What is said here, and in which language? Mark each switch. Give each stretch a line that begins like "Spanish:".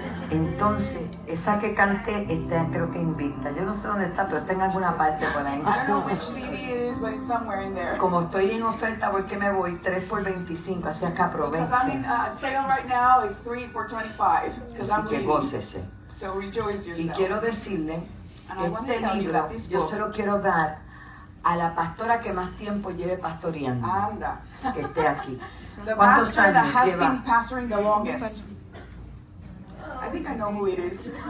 Spanish: Entonces, esa que canté, esta creo que invita. Yo no sé dónde está, pero está en alguna parte por ahí.
English: I don't know which CD it is, but it's somewhere in there.
Spanish: Como estoy en oferta, voy que me voy 3 por 25, así que aprovechen.
English: Because I'm in sale right now, it's 3 for 25.
Spanish: Así que gócese.
English: So rejoice yourself.
Spanish: Y quiero decirle que este libro, yo se lo quiero dar a la pastora que más tiempo lleve pastoreando. Anda. Que esté aquí.
English: The pastor that has been pastoring the longest. I think I know who it is.